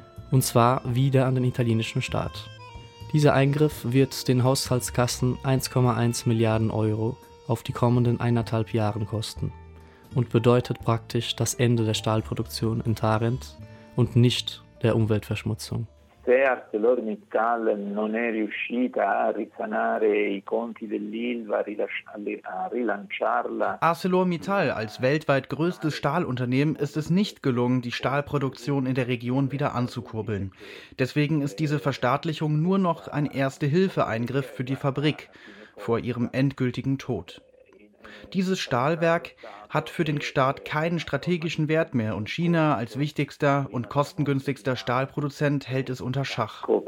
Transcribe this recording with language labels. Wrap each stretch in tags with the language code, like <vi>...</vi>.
<de>Und zwar wieder an den italienischen Staat. Dieser Eingriff wird den Haushaltskassen 1,1 Milliarden Euro auf die kommenden 1,5 Jahre kosten und bedeutet praktisch das Ende der Stahlproduktion in Tarent und nicht der Umweltverschmutzung.</de> <it>Se ArcelorMittal non è riuscita a risanare i conti dell'Ilva, a rilanciarla.</it> <de>ArcelorMittal als weltweit größtes Stahlunternehmen ist es nicht gelungen, die Stahlproduktion in der Region wieder anzukurbeln. Deswegen ist diese Verstaatlichung nur noch ein Erste-Hilfe-Eingriff für die Fabrik vor ihrem endgültigen Tod. Dieses Stahlwerk hat für den Staat keinen strategischen Wert mehr und China als wichtigster und kostengünstigster Stahlproduzent hält es unter Schach.</de>